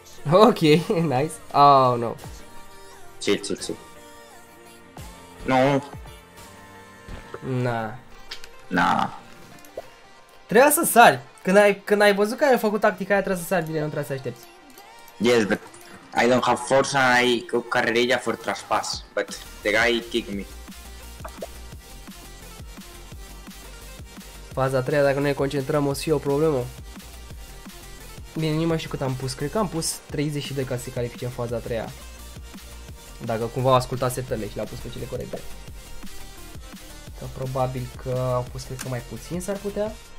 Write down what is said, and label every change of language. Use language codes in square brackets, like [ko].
[en] Ok, nice. Oh, no. Chill, chill, chill. No. Nah. [ro] Trebuie să sari. Când ai văzut că ai făcut tactica aia, trebuie să sari, bine, nu trebuie să aștepți. [en] Yes, but I don't have force and I cook [es] carrerilla [en] for trespass, but the guy kicked me. [ro] Faza 3, dacă nu ne concentrăm, o să fie o problemă. Bine, nu mai știu cât am pus, cred că am pus 32 ca să se califice în faza 3-a. Dacă cumva au ascultat setările și le-au pus pe cele corecte. Că probabil că au pus, cred că mai puțin s-ar putea.